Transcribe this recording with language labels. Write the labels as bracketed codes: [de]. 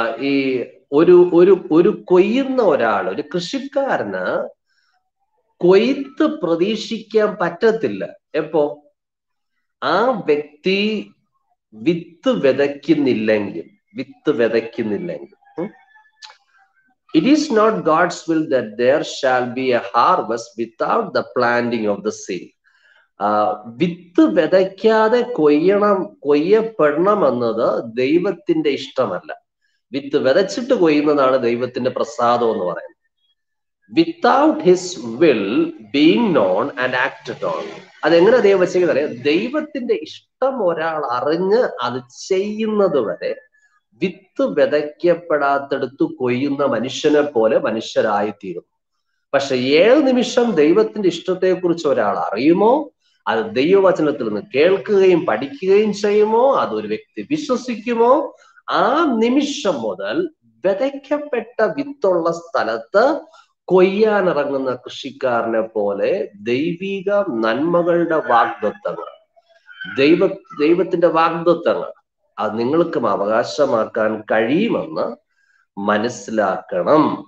[ml] ഈ ഒരു ഒരു ഒരു കൊയ്യുന്ന ഒരാൾ, ഒരു കൃഷിക്കാരന് കൊയ്ത്ത് പ്രതീക്ഷിക്കാൻ പറ്റത്തില്ല. എപ്പോ? ആ വ്യക്തി വിത്ത് വിതയ്ക്കുന്നില്ലെങ്കിൽ, വിത്ത് വിതയ്ക്കുന്നില്ലെങ്കിൽ. [en] It is not God's will that there shall be a harvest without the planting of the seed. [ml] വിത്ത് വിതയ്ക്കാതെ കൊയ്യപ്പെടണം എന്നത് ദൈവത്തിന്റെ ഇഷ്ടമല്ല. വിത്ത് വിതച്ചിട്ട് കൊയ്യുന്നതാണ് ദൈവത്തിന്റെ പ്രസാദം എന്ന് പറയുന്നത്. [en] Without his will being known and acted on. [ml] അതെങ്ങനെ ദൈവവശങ്ങൾ അറിയാം? ദൈവത്തിന്റെ ഇഷ്ടം ഒരാൾ അറിഞ്ഞ് അത് ചെയ്യുന്നത് വരെ വിത്ത് വിതയ്ക്കപ്പെടാത്തെടുത്ത് കൊയ്യുന്ന മനുഷ്യനെ പോലെ മനുഷ്യരായിത്തീരും. പക്ഷെ ഏത് നിമിഷം ദൈവത്തിന്റെ ഇഷ്ടത്തെ കുറിച്ച് ഒരാൾ അറിയുമോ, അത് ദൈവവചനത്തിൽ നിന്ന് കേൾക്കുകയും പഠിക്കുകയും ചെയ്യുമോ, അത് ഒരു വ്യക്തി വിശ്വസിക്കുമോ, ആ നിമിഷം മുതൽ വിതയ്ക്കപ്പെട്ട വിത്തുള്ള സ്ഥലത്ത് കൊയ്യാനിറങ്ങുന്ന കൃഷിക്കാരനെ പോലെ ദൈവിക നന്മകളുടെ വാഗ്ദത്തങ്ങൾ, ദൈവത്തിന്റെ വാഗ്ദത്തങ്ങൾ അത് നിങ്ങൾക്കും അവകാശമാക്കാൻ കഴിയുമെന്ന് മനസ്സിലാക്കണം.